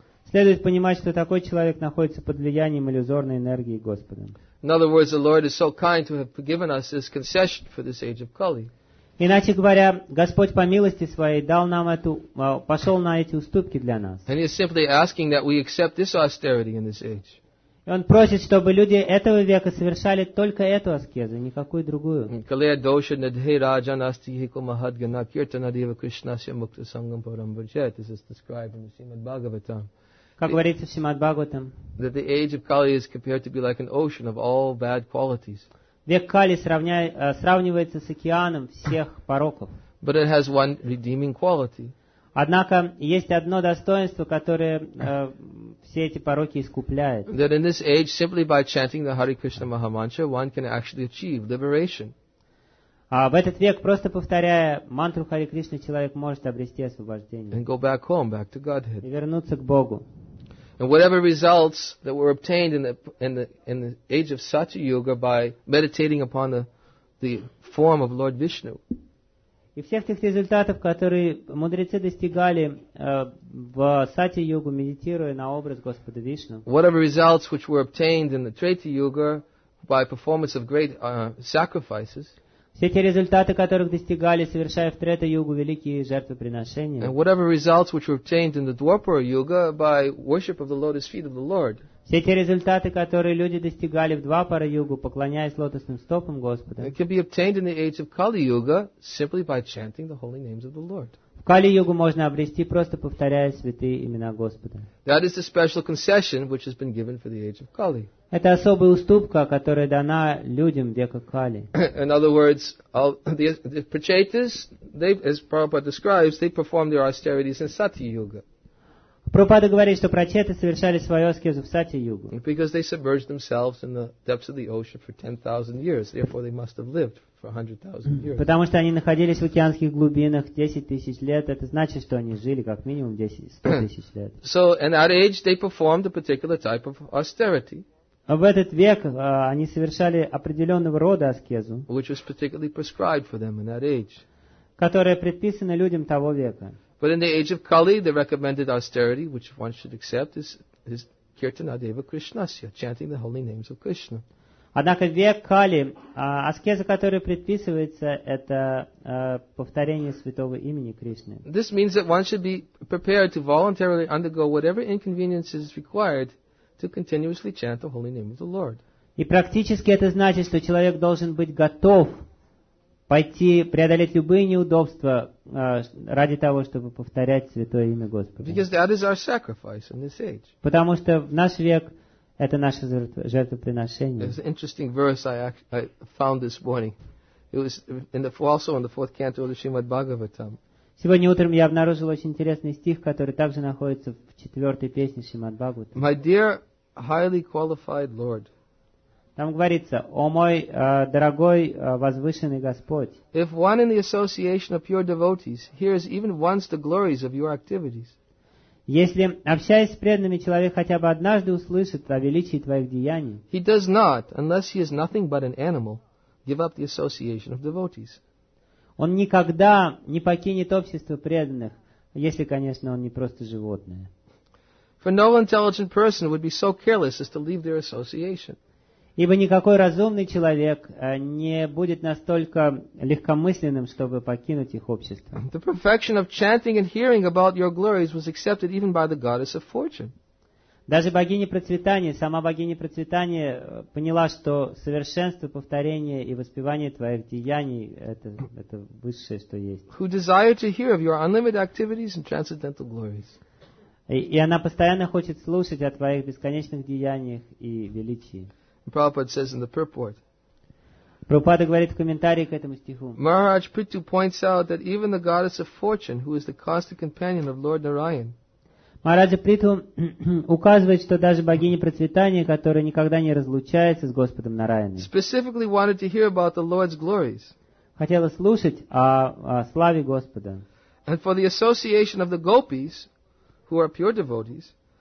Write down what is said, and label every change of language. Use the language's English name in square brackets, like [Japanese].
[Russian] Следует понимать, что такой человек находится под влиянием иллюзорной энергии Господа. [English] In other words, the Lord is so kind to have given us this concession for this age of Kali. [Russian] Иначе говоря, Господь по милости своей дал нам эту, пошел на эти уступки для нас. [English] And he is simply asking that we accept this austerity in this age. [Russian] И он просит, чтобы люди этого века совершали только эту аскезу, никакую другую. [Sanskrit] Калия доша надхи раджа настихико махадгана киртана дива кришнася мукта сангам парам бриджа. [English] This is described in the Srimad Bhagavatam. [Russian] Как говорится в Шримад-Бхагаватам, [English] that the age of Kali is compared to be like an ocean of all bad qualities. [Russian] Век Кали сравнивается с океаном всех пороков. [English] But it has one redeeming quality. [Russian] Однако есть одно достоинство, которое все эти пороки искупляет. [English] That in this age, simply by chanting the Hare Krishna Mahamantra, one can actually achieve liberation. [Russian] В этот век, просто повторяя мантру Харе Кришна, человек может обрести освобождение. [English] And go back home, back to Godhead. [Russian] И вернуться к Богу. [English] And whatever results that were obtained in the age of Satya Yuga by meditating upon the form of Lord Vishnu. [Russian] И всех тех результатов, которые мудрецы достигали в Сати Йогу, медитируя на образ Господа Вишну. [English] Whatever results which were obtained in the Treta Yuga by performance of great sacrifices. [Russian] Все те результаты, которых достигали, совершая в Трета-югу великие жертвоприношения. [English] And whatever results which were obtained in the Dwapara-yuga by worship of the lotus feet of the Lord. [Russian] Все те результаты, которые люди достигали в Двапара-югу, поклоняясь лотосным стопам Господа. [English] It can be obtained in the age of Kali-yuga simply by chanting the holy names of the Lord. [Russian] В Кали-югу можно обрести, просто повторяя святые имена Господа. [English] That is the special concession which has been given for the age of Kali. [Russian] Это особая уступка, которая дана людям века Кали. [English] In other words, the Prachetas, as Prabhupada describes, they performed their austerities in Satya-yuga. [Russian] Прабхупада говорит, что прачеты совершали свою аскезу в Сати-югу. [English] Because they submerged themselves in the depths of the ocean for 10,000 years, therefore they must have lived for 100,000 years. [Russian] Потому что они находились в океанских глубинах 10,000 лет, это значит, что они жили как минимум 100,000 лет. [English] So, in that age, they performed a particular type of austerity. [Russian] В этот век они совершали определенного рода аскезу, [English] which was particularly prescribed for them in that age. [Russian] Которая предписана людям того века. [English] But in the age of Kali, the recommended austerity, which one should accept, is [Sanskrit] Kirtana Deva Krishnasya, [English] chanting the holy names of Krishna. [Russian] Однако в век Кали, аскеза, которая предписывается, это повторение святого имени Кришны. [English] This means that one should be prepared to voluntarily undergo whatever inconveniences is required to continuously chant the holy name of the Lord. [Russian] И практически это значит, что человек должен быть готов пойти преодолеть любые неудобства ради того, чтобы повторять святое имя Господа. [English] Because that is our sacrifice in this age. [Russian] Потому что в наш век это наше жертвоприношение. [English] There's an interesting verse I found this morning. It was also in the fourth canto of the Srimad Bhagavatam. [Russian] Сегодня утром я обнаружил очень интересный стих, который также находится в четвертой песне Шримад Бхагаватам. [English] My dear highly qualified Lord. [Russian] Там говорится: «О мой дорогой возвышенный Господь». [English] If one in the association of pure devotees hears even once the glories of your activities. [Russian] Если, общаясь с преданными, человек хотя бы однажды услышит о величии твоих деяний. [English] He does not, unless he is nothing but an animal, give up the association of devotees. [Russian] Он никогда не покинет общество преданных, если, конечно, он не просто животное. [English] For no intelligent person would be so careless as to leave their association. [Russian] Ибо никакой разумный человек не будет настолько легкомысленным, чтобы покинуть их общество. [English] The perfection of chanting and hearing about your glories was accepted even by the goddess of fortune. [Russian] Даже богиня процветания, сама богиня процветания поняла, что совершенство, повторение и воспевание твоих деяний – это высшее, что есть. [English] Who desired to hear of your unlimited activities and transcendental glories. [Russian] И она постоянно хочет слушать о твоих бесконечных деяниях и величии. [English] Prabhupada says in the purport. [Russian] Prabhupada говорит в комментарии к этому стиху. [English] Maharaj Prithu points out that even the goddess of fortune, who is the constant companion of Lord Narayan, [Russian] Maharaj Prithu указывает, что даже богиня процветания, которая никогда не разлучается с Господом Нараяной, [English] specifically wanted to hear about the Lord's glories. [Russian] Хотела слушать о славе Господа. [English] And for the association of the gopis, who are pure devotees.